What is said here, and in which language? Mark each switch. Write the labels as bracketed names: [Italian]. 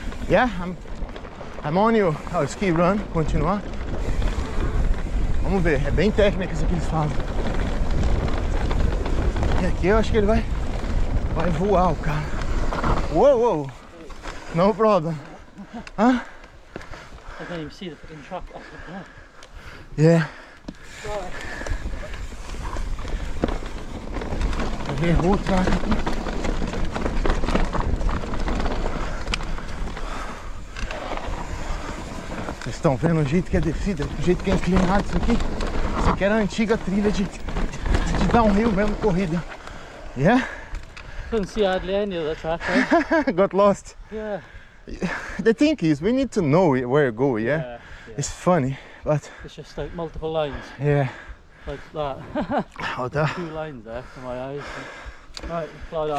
[English] Yeah, I'm on you. Oh, ski run, continuar. [Portuguese] Vamos ver, é bem técnica isso que eles falam. E aqui eu acho que ele vai voar o cara. [English] Uou, uou! No problem. Hã? I don't even see the fucking truck. [Portuguese] Yeah. Ele errou o truck aqui. Vocês estão vendo o jeito que é descida, o jeito que é inclinado isso aqui? Isso aqui era a antiga trilha de downhill mesmo, corrida. [English] Yeah? Couldn't see hardly any of the track, right? Got lost. Yeah. The thing is, we need to know where you go, yeah? Yeah. It's funny, but... It's just like multiple lines. Yeah. Like that. How the... Two lines there for my eyes. Right, fly down.